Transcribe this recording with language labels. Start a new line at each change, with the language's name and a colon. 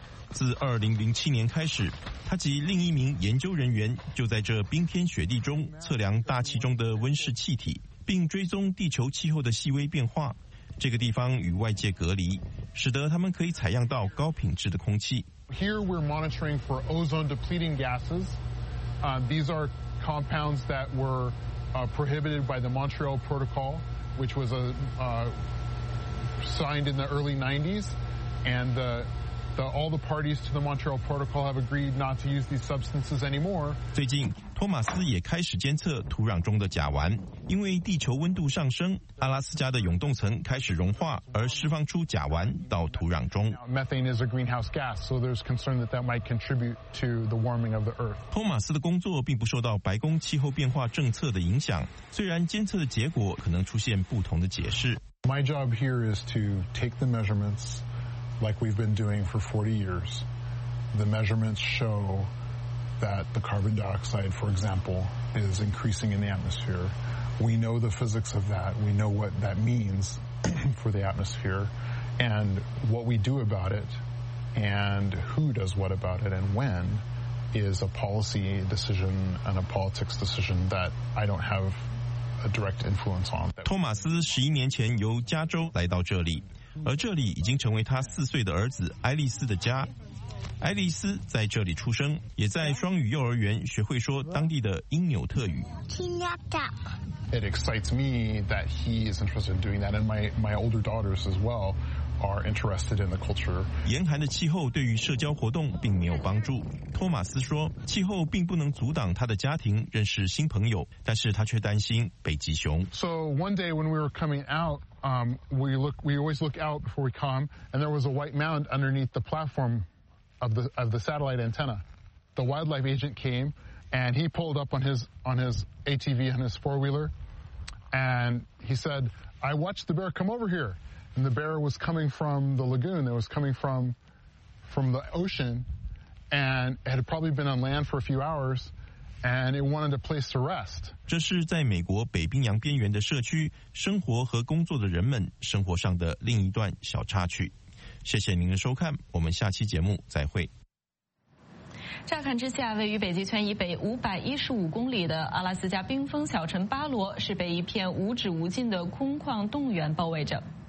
Chinese: 自2007年开始，他及另一名研究人员就在这冰天雪地中测量大气中的温室气体，并追踪地球气候的细微变化。这个地方与外界隔离，使得他们可以采样到高品质的空气。
English: Here we're monitoring for ozone depleting gases. These are compounds that were prohibited by the Montreal Protocol, which was signed in the early 90s. And all the parties to the Montreal Protocol have agreed not to use these substances anymore.
Chinese: 最近，托马斯也开始监测土壤中的甲烷，因为地球温度上升，阿拉斯加的永冻层开始融化，而释放出甲烷到土壤中。
English: Methane is a greenhouse gas, so there's concern that that might contribute to the warming of the earth.
Chinese: 托马斯的工作并不受到白宫气候变化政策的影响，虽然监测的结果可能出现不同的解释。
English: My job here is to take the measurements. Like we've been doing for 40 years, the measurements show that the carbon dioxide, for example, is increasing in the atmosphere. We know the physics of that. We know what that means for the atmosphere and what we do about it and who does what about it and when is a policy decision and a politics decision that I don't have a direct influence on.
Chinese: 托马斯十一年前由加州来到这里。而这里已经成为他四岁的儿子爱丽丝的家。爱丽丝在这里出生，也在双语幼儿园学会说当地的因纽特语。
English: It excites me that he is interested in doing that, and my older daughters as well are interested in the culture.
Chinese: 严寒的气候对于社交活动并没有帮助。托马斯说，气候并不能阻挡他的家庭认识新朋友，但是他却担心北极熊。
English: So one day when we were coming out. We always look out before we come, and there was a white mound underneath the platform of the satellite antenna. The wildlife agent came, and he pulled up on his ATV on his four wheeler, and he said, "I watched the bear come over here," and the bear was coming from the lagoon. It was coming from the ocean, and it had probably been on land for a few hours. And it wanted a place to rest.
Chinese: 这是在美国北冰洋边缘的社区生活和工作的人们生活上的另一段小插曲。谢谢您的收看，我们下期节目再会。乍看之下，位于北极圈以北515公里的阿拉斯加冰封小城巴罗，是被一片无止无尽的空旷动员包围着。